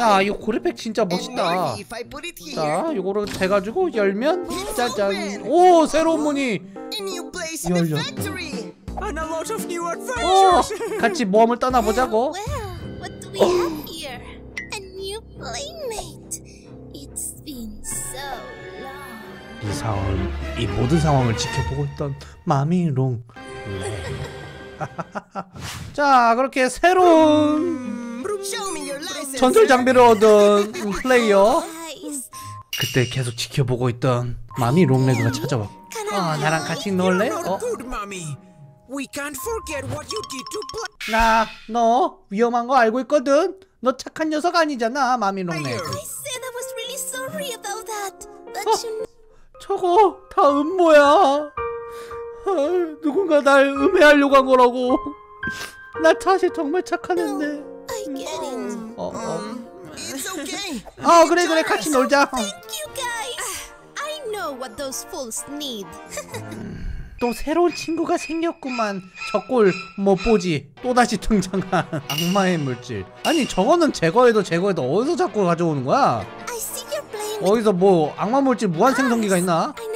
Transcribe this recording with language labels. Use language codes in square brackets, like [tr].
[ko] 야, 이 고래팩 진짜 멋있다. 자, 이거를 대가지고 열면 짜잔. 오, 새로운 문이 열렸다. [en] And a lot of new adventures. [ko] 어, 같이 모험을 떠나보자고. [en] What do we have here? A new playmate. It's been so. [ko] 이 상황, 이 모든 상황을 지켜보고 있던 마미롱. 자, 그렇게 새로운 전술 장비를 얻은 플레이어. 그때 계속 지켜보고 있던 마미 롱레그가 찾아와. 어, 나랑 같이 놀래? 어? [en] We can't forget what you did to Black. [ko] 나, 너 위험한 거 알고 있거든. 너 착한 녀석 아니잖아, 마미 롱레그. [en] I said I was really sorry about that. But you. [ko] 저거 다 음모야. 누군가 날 음해하려고 한 거라고. 나 사실 정말 착한 애인데. [en] I get it. 어, 어. It's okay. [ko] 어, 그래 그래 같이 놀자. [en] Thank you guys. I know what those fools need. [ko] 또 새로운 친구가 생겼구만. 저 꼴 못 보지. 또다시 등장한 악마의 물질. 아니 저거는 제거해도 제거해도 어디서 자꾸 가져오는 거야? 어디서 뭐 악마 물질 무한 생성기가 있나?